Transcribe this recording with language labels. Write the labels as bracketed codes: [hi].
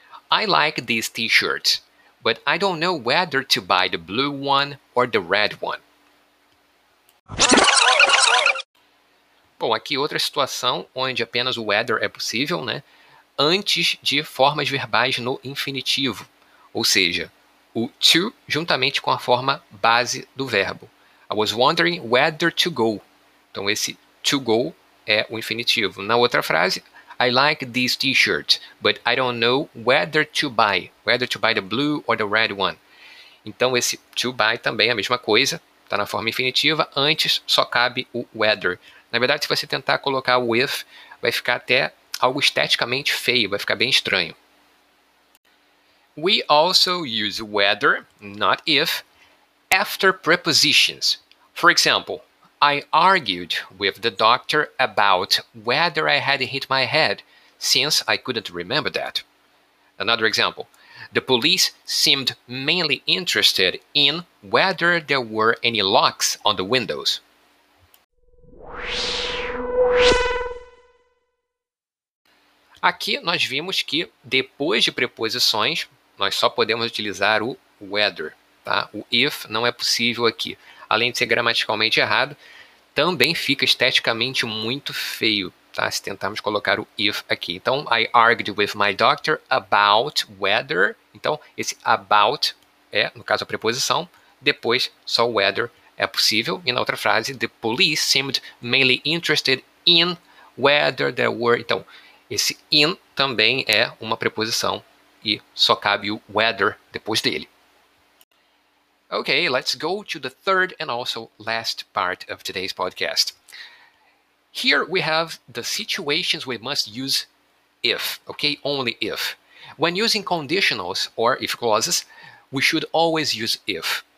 [en] I like these t-shirts, but I don't know whether to buy the blue one or the red one. [pt] Bom, aqui outra situação onde apenas o whether é possível, né? Antes de formas verbais no infinitivo. Ou seja, o to juntamente com a forma base do verbo. [en] I was wondering whether to go. [pt] Então, esse to go é o infinitivo. Na outra frase, [en] I like these t-shirts, but I don't know whether to buy. Whether to buy the blue or the red one. [pt] Então, esse to buy também é a mesma coisa. Está na forma infinitiva. Antes, só cabe o whether. Na verdade, se você tentar colocar o if, vai ficar até algo esteticamente feio, vai ficar bem estranho. [en] We also use whether, not if, after prepositions. For example, I argued with the doctor about whether I had hit my head, since I couldn't remember that. Another example, the police seemed mainly interested in whether there were any locks on the windows. [pt] Aqui nós vimos que depois de preposições, nós só podemos utilizar o whether, tá? O if não é possível aqui. Além de ser gramaticalmente errado, também fica esteticamente muito feio, tá? Se tentarmos colocar o if aqui. Então, [en] I argued with my doctor about whether. [pt] Então, esse about é, no caso, a preposição. Depois, só o whether é possível. E na outra frase, [en] the police seemed mainly interested in whether there were. [pt] Então, esse in também é uma preposição e só cabe o whether depois dele. [en] Okay, let's go to the third and also last part of today's podcast. Here we have the situations we must use if, okay, only if. When using conditionals or if clauses, we should always use if.